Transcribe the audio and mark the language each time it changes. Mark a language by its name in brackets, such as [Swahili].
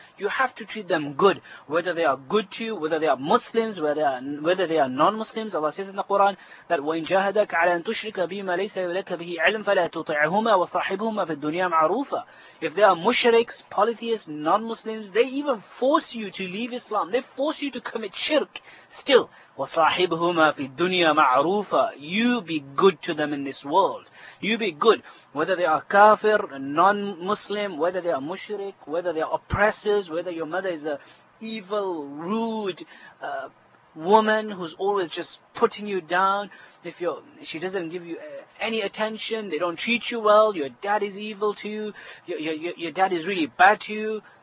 [English] You have to treat them good. Whether they are good to you, whether they are Muslims, whether they are non-Muslims, Allah says in the Quran that [Arabic] وَإِنْ جَاهَدَكَ عَلَىٰ أَن تُشْرِكَ بِمَا لَيْسَ لَكَ بِهِ عِلْمٍ فَلَا تُطِعْهُمَا وَصَاحِبْهُمَا فِي الدُّنْيَا مَعْرُوفًا. [English] If they are mushriks, polytheists, non-Muslims, they even force you to leave Islam. They force you to commit shirk. Still, [Arabic] وَصَاحِبْهُمَا فِي الدُّنْيَا مَعْرُوفًا. [English] You be good to them in this world. You be good. Whether they are kafir, non-Muslim, whether they are mushrik, whether they are oppressors, whether your mother is an evil, rude woman who's always just putting you down. If she doesn't give you any attention, they don't treat you well, your dad is evil to you, your dad is really bad to you.